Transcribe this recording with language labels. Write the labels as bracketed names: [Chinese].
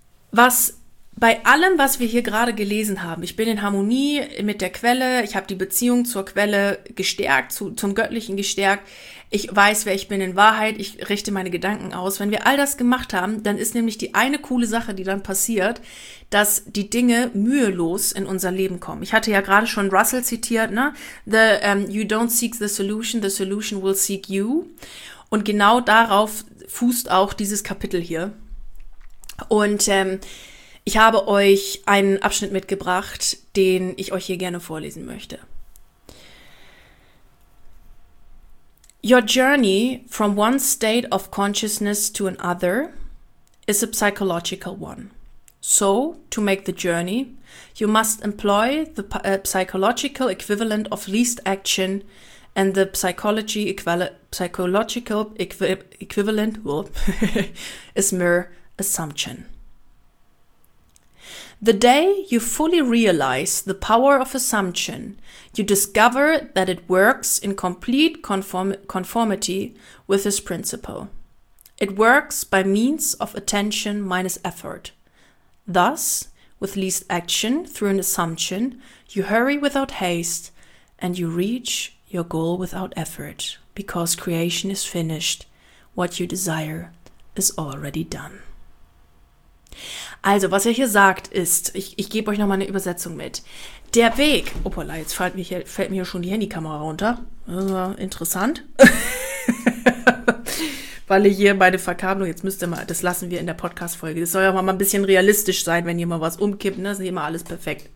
[German] Was bei allem, was wir hier gerade gelesen haben, ich bin in Harmonie mit der Quelle, ich habe die Beziehung zur Quelle gestärkt, zum Göttlichen gestärkt, ich weiß, wer ich bin in Wahrheit, ich richte meine Gedanken aus. Wenn wir all das gemacht haben, dann ist nämlich die eine coole Sache, die dann passiert, dass die Dinge mühelos in unser Leben kommen. Ich hatte ja gerade schon Russell zitiert, ne? [English] You don't seek the solution will seek you. [German] Und genau darauf fußt auch dieses Kapitel hier. Und ich habe euch einen Abschnitt mitgebracht, den ich euch hier gerne vorlesen möchte. [English] Your journey from one state of consciousness to another is a psychological one. So, to make the journey, you must employ the psychological equivalent of least action and the psychological equivalent well, is mere assumption. The day you fully realize the power of assumption, you discover that it works in complete conformity with this principle. It works by means of attention minus effort. Thus, with least action through an assumption, you hurry without haste and you reach your goal without effort, because creation is finished. What you desire is already done. [German] Also, was er hier sagt, ist, ich gebe euch nochmal eine Übersetzung mit. Der Weg, opala, jetzt fällt mir schon die Handykamera runter. Interessant. Weil ich hier meine Verkabelung, jetzt müsste mal, das lassen wir in der Podcast-Folge. Das soll ja mal ein bisschen realistisch sein, wenn hier mal was umkippt. Ne? Das ist nicht immer alles perfekt.